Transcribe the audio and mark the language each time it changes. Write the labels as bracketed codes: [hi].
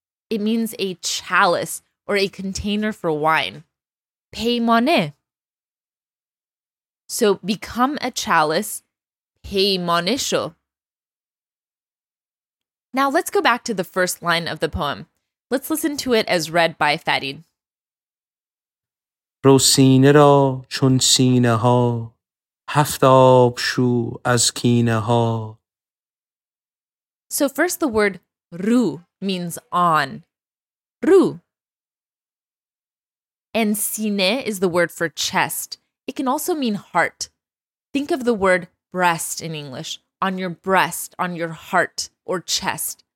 [en] It means a chalice or a container for wine. Peymane. So become a chalice. [fa] Peymane sho. [en] Now let's go back to the first line of the poem. Let's listen to it as read by Fadid. [fa] رو سینه را چون سینه ها هفت آب شو از کینه ها. [en] So first the word رو means on. [fa] رو. [en] And سینه is the word for chest. It can also mean heart. Think of the word breast in English. On your breast, on your heart, or chest.